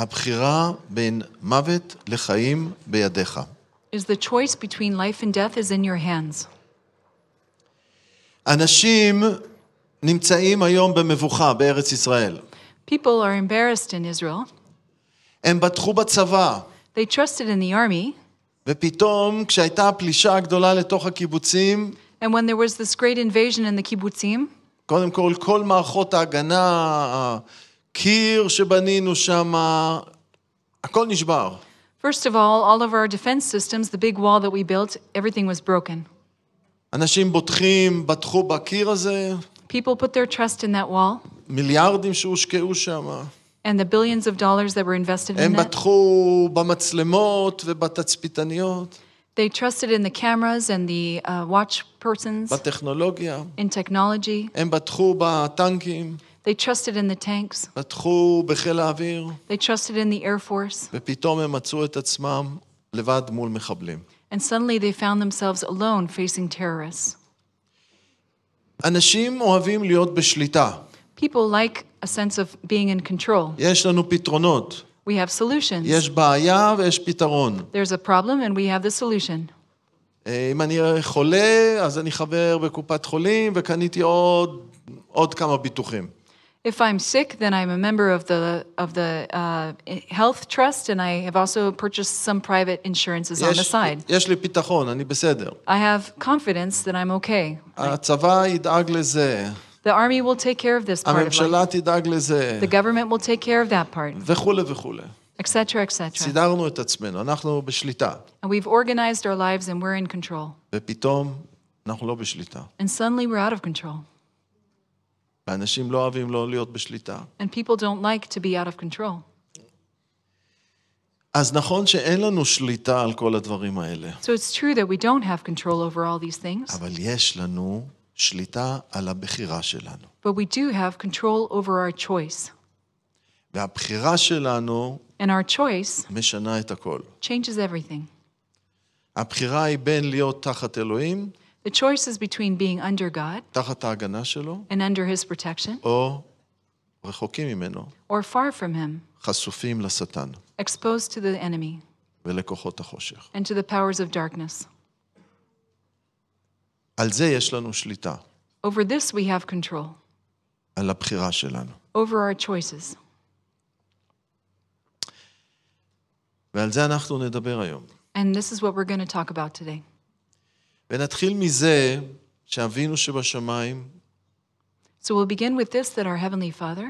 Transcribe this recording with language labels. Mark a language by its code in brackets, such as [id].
[he] הבחירה בין מוות לחיים בידך. [en] Is the choice between life and death is in your hands. [he] אנשים נמצאים היום במבוכה בארץ ישראל. [en] People are embarrassed in Israel. [he] הם בטחו בצבא. [en] They trusted in the army. [he] ופתאום כשהייתה פלישה גדולה לתוך הקיבוצים, [en] and when there was this great invasion in the kibbutzim, [he] קודם כל, כל מערכות ההגנה, הקיר שבנינו שם, הכל נשבר. [en] First of all of our defense systems, the big wall that we built, everything was broken. [he] אנשים בוטחים, בטחו בקיר הזה. [en] People put their trust in that wall. [he] מיליארדים שהושקעו שם. [en] And the billions of dollars that were invested in that. [he] הם בטחו במצלמות ובתצפיתניות. [en] They trusted in the cameras and the watch persons. [he] בטכנולוגיה. [en] In technology. [he] הם בטחו בטנקים. [en] They trusted in the tanks. [he] בטחו בחיל האוויר. [en] They trusted in the air force. [he] ופתאום הם מצאו את עצמם לבד מול מחבלים. [en] And suddenly they found themselves alone facing terrorists. [he] אנשים אוהבים להיות בשליטה. [en] People like a sense of being in control. [he] יש לנו פתרונות. [en] We have solutions. [he] יש בעיה ויש פתרון. [en] There's a problem and we have the solution. [he] אם אני חולה, אז אני חבר בקופת חולים וקניתי עוד כמה ביטוחים. [en] If I'm sick, then I'm a member of the health trust and I have also purchased some private insurances on the side. [he] יש לי פתרון, אני בסדר. [en] I have confidence that I'm okay. [he] הצבא ידאג לזה. [en] The army will take care of this part. [he] הממשלה תדאג לזה. [en] The government will take care of that part. [he] וכולי וכולי. [en] Et cetera, et cetera. [he] סידרנו את עצמנו, אנחנו בשליטה. [en] And we've organized our lives and we're in control. [he] ופתאום אנחנו לא בשליטה. [en] And suddenly we're out of control. [he] ואנשים לא אוהבים לא להיות בשליטה. [en] And people don't like to be out of control. [he] אז נכון שאין לנו שליטה על כל הדברים האלה. [en] So it's true that we don't have control over all these things. [he] אבל יש לנו שליטה על הבחירה שלנו. [en] But we do have control over our choice. [he] והבחירה שלנו, [en] and our choice, [he] משנה את הכל. [en] Changes everything. [he] הבחירה היא בין להיות תחת אלוהים, [en] the choice is between being under God, [he] תחת ההגנה שלו, [en] and under his protection, [he] או רחוקים ממנו, [en] or far from him, [he] חשופים לשטן, [en] exposed to the enemy, [he] ולכוחות החושך, [en] and to the powers of darkness. [he] על זה יש לנו שליטה. [en] Over this we have control. [he] על הבחירה שלנו. [en] Over our choices. [he] ועל זה אנחנו נדבר היום. [en] And this is what we're going to talk about today. [he] ונתחיל מזה שאבינו שבשמיים, [en] so we'll begin with this, that our heavenly father,